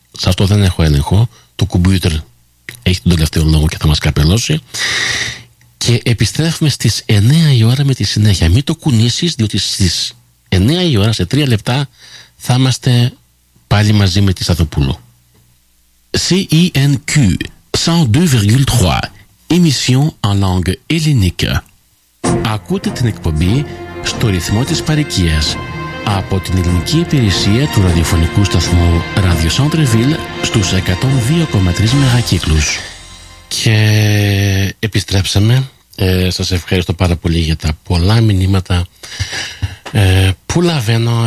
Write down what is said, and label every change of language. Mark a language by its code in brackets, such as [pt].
[el] Σε αυτό δεν έχω έλεγχο. Το κομπιούτερ έχει τον τελευταίο λόγο και θα μας καπελώσει. Και επιστρέφουμε στις 9 η ώρα με τη συνέχεια. Μην το κουνήσεις, διότι στις 9 η ώρα, σε 3 λεπτά, θα είμαστε πάλι μαζί με τη Σταθοπούλου. [fr] CINQ 102,3. Émission en langue hellénique. [el] Ακούτε την εκπομπή στο ρυθμό της παροικίας από την ελληνική υπηρεσία του ραδιοφωνικού σταθμού Radio Centreville στους 102,3 μεγακύκλους. Και επιστρέψαμε. Σας ευχαριστώ πάρα πολύ για τα πολλά μηνύματα που λαβαίνω.